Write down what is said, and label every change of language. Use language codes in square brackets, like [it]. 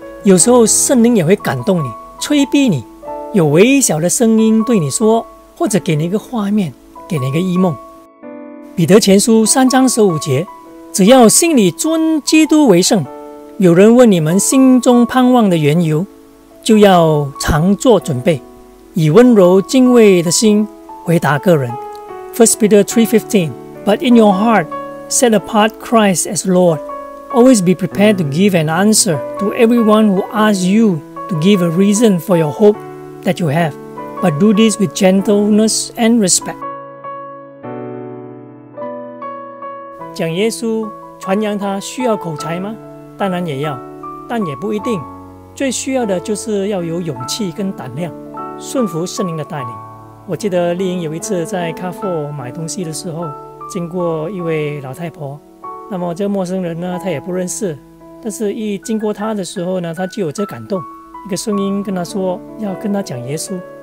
[zh] 有时候圣灵也会感动你，催逼你，有微小的声音对你说，或者给你一个画面，给你一个异梦。彼得前书三章十五节，只要心里尊基督为圣，有人问你们心中盼望的缘由，就要常做准备，以温柔敬畏的心回答个人。 [en] 1 Peter 3:15， But in your heart set apart Christ as LordAlways be prepared to give an answer to everyone who asks you to give a reason for your hope that you have, but do this with gentleness and respect. [zh] 讲耶稣，传扬他需要口才吗？当然也要，但也不一定。最需要的就是要有勇气跟胆量，顺服圣灵的带领。我记得丽莹有一次在卡佛买东西的时候，经过一位老太婆，那么这个陌生人呢，他也不认识，但是一经过他的时候呢，他就有这感动，一个声音跟他说要跟他讲耶稣。